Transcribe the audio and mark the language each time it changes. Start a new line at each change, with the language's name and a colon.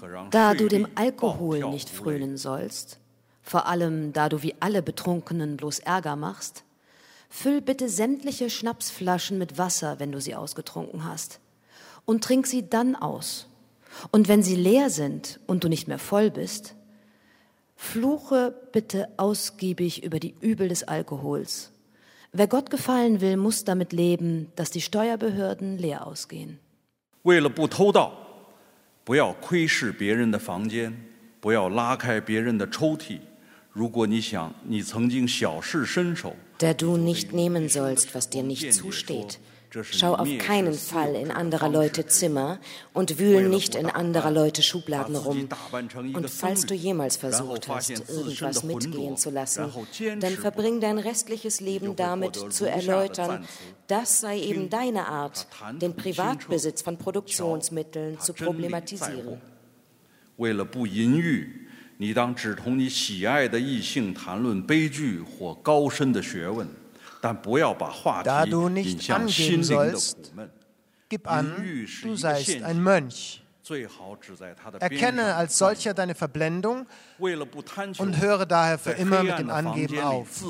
German: Da du dem Alkohol nicht frönen sollst, vor allem da du wie alle Betrunkenen bloß Ärger machst, füll bitte sämtliche Schnapsflaschen mit Wasser, wenn du sie ausgetrunken hast, und trink sie dann aus. Und wenn sie leer sind und du nicht mehr voll bist, fluche bitte ausgiebig über die Übel des Alkohols. Wer Gott gefallen will, muss damit leben, dass die Steuerbehörden leer ausgehen.
Chinese: 为了不偷盗，不要窥视别人的房间，不要拉开别人的抽屉。如果你想你曾经小事身手，
German: da du nicht nehmen sollst, was dir nicht zusteht, schau auf keinen Fall in anderer Leute Zimmer und wühl nicht in anderer Leute Schubladen rum. Und falls du jemals versucht hast, irgendwas mitgehen zu lassen, dann verbring dein restliches Leben damit zu erläutern, das sei eben deine Art, den Privatbesitz von Produktionsmitteln zu problematisieren.
Chinese: 为了不淫欲，你当只同你喜爱的异性谈论悲剧或高深的学问。但不要把话题引向心灵的苦闷。
German: Da du nicht angeben sollst, gib an, du seist ein Mönch. Erkenne als solcher deine Verblendung und höre daher für immer mit dem Angeben auf.